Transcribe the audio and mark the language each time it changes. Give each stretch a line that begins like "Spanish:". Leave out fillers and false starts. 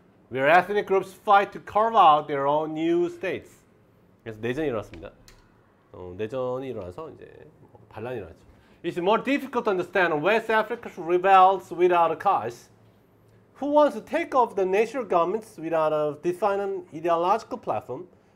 English: Where ethnic groups fight to carve out their own new states.
Korean: 그래서 내전이 일어났습니다. 내전이 일어나서 이제 반란이 일어났죠.
English: It's more difficult to understand West Africa's rebels without a cause. Who wants to take off the national governments without a defined ideological platform?